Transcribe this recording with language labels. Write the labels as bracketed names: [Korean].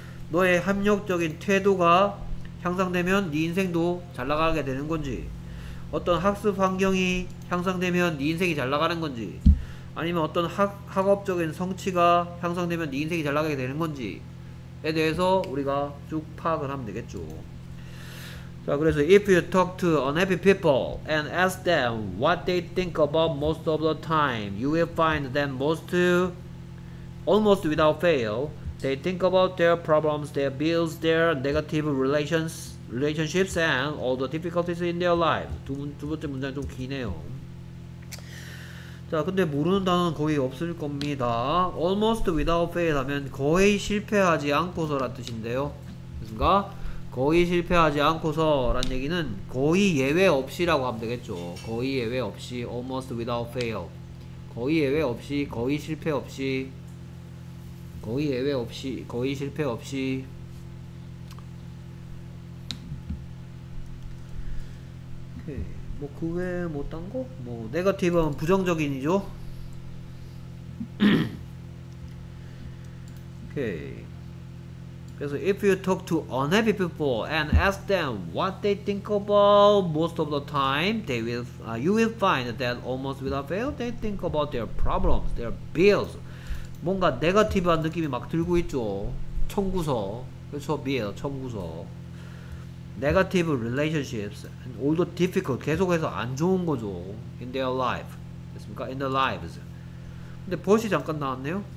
[Korean] 너의 합력적인 태도가 향상되면 네 인생도 잘 나가게 되는 건지, 어떤 학습 환경이 향상되면 네 인생이 잘 나가는 건지, 아니면 어떤 학업적인 성취가 향상되면 네 인생이 잘 나가게 되는 건지, 에 대해서 우리가 쭉 파악을 하면 되겠죠. 자, 그래서 [English] if you talk to unhappy people and ask them what they think about most of the time, you will find that almost without fail, they think about their problems, their bills, their negative relationships and all the difficulties in their lives. [Korean] 두 번째 문장이 좀 기네요. 자, 근데 모르는 단어는 거의 없을 겁니다. [English] Almost without fail [Korean] 하면 거의 실패하지 않고서란 뜻인데요. 그니까 거의 실패하지 않고서란 얘기는 거의 예외 없이라고 하면 되겠죠. 거의 예외 없이, [English] almost without fail. [Korean] 거의 예외 없이, 거의 실패 없이, 거의 예외 없이, 거의 실패 없이. 오케이. 뭐그 외에 뭐딴 거? 뭐 네거티브는 부정적인이죠. 오케이. 그래서 [English] if you talk to unhappy people and ask them what they think about most of the time, you will find that almost without fail they think about their problems, their bills. [Korean] 뭔가 네거티브한 느낌이 막 들고 있죠. 청구서, 그렇죠? [English] bill, 청구서. Negative relationships and all the difficult, [Korean] 계속해서 안 좋은 거죠. [English] In their life. [Korean] 됐습니까? [English] In their lives. [Korean] 근데 but이 잠깐 나왔네요.